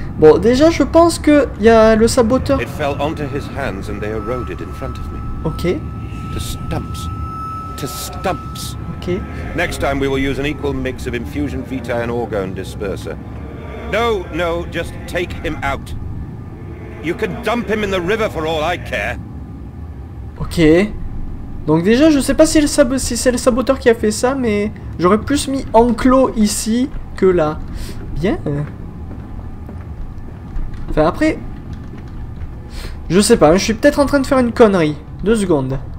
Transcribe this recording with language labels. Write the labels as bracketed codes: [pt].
[fr] Bon, déjà, je pense que il y a le saboteur. [en] It fell onto his hands and they eroded in front of me. Ok. To stumps. To stumps. Ok. Next time we will use an equal mix of infusion vitae and orgone disperser. No, no, just take him out. You can dump him in the river for all I care. Ok. [fr] Donc déjà, je sais pas si, si c'est le saboteur qui a fait ça, mais j'aurais plus mis enclos ici que là. Bien. Enfin, après... Je sais pas, je suis peut-être en train de faire une connerie. Deux secondes.